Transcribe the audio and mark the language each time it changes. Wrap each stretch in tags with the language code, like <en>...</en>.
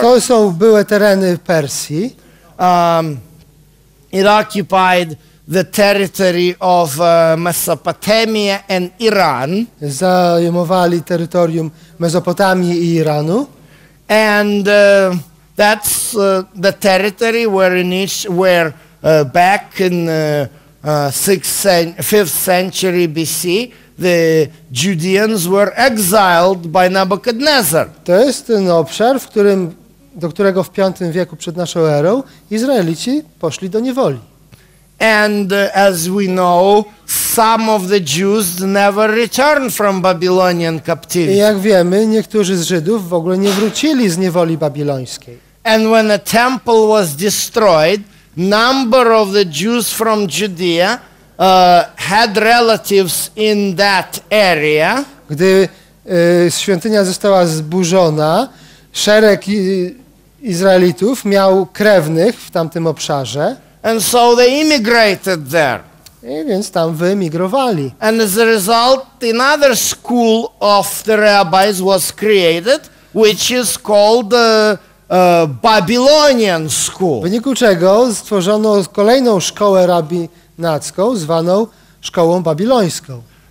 <pl>To są były tereny Persji.</pl> <en>It occupied the territory of Mesopotamia and Iran.</en> <pl>Zajmowali terytorium Mezopotamii i Iranu.</pl> <en>And that's the territory where back in 5th century BC the Judeans were exiled by Nebuchadnezzar.</en> <pl>To jest ten obszar, do którego w V wieku przed naszą erą Izraelici poszli do niewoli.</pl> <en>And as we know, some of the Jews never returned from Babylonian captivity.</en> <pl>I jak wiemy, niektórzy z Żydów w ogóle nie wrócili z niewoli babilońskiej.</pl> <en>And when the temple was destroyed, number of the Jews from Judea had relatives in that area.</en> <pl>Gdy świątynia została zburzona, szereg Izraelitów miał krewnych w tamtym obszarze.</pl> <en>And so they immigrated there.</en> <pl>I więc tam wyemigrowali.</pl> <en>And as a result, another school of the rabbis was created, which is called the Babylonian school.</en> <pl>W wyniku czego stworzono kolejną szkołę rabinacką, zwaną szkołą babilońską.</pl>